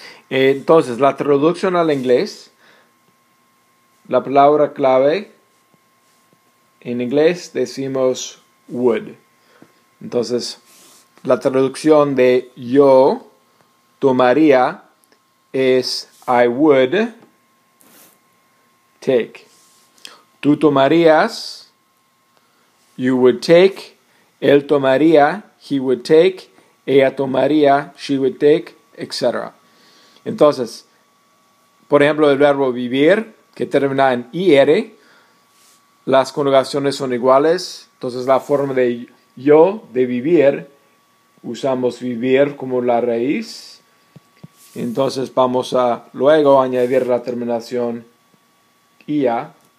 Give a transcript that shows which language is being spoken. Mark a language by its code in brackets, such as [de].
[es] Entonces la traducción al inglés. La palabra clave en inglés decimos would. Entonces, la traducción de yo tomaría es [en] I would take. [es] Tú tomarías, [en] you would take. [es] Él tomaría, [en] he would take. [es] Ella tomaría, [en] she would take, [es] etc. Entonces, por ejemplo, el verbo vivir, que termina en IR, las conjugaciones son iguales. Entonces, la forma de yo, de vivir, usamos vivir como la raíz. Entonces, vamos a luego añadir la terminación IA.